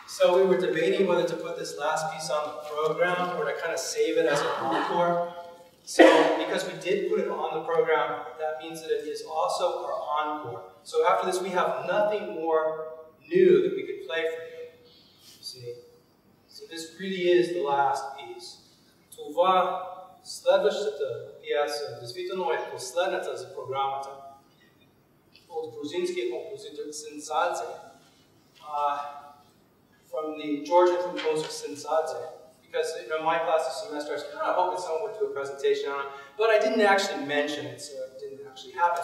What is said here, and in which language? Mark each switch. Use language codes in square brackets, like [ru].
[en] were debating whether to put this last piece on the program or to kind of save it as an encore. So because we did put it on the program, that means that it is also our encore. So after this, we have nothing more new that we could play for you. See? So this really is the last piece. [bg] Това следващата пиеса действително е последната за програмата от грузинския композитор Сензадзе. [en] From the Georgian composer Sensadze, because you know, my class this semester, I was kind of hoping someone would do a presentation on it, but I didn't actually mention it, so it didn't actually happen.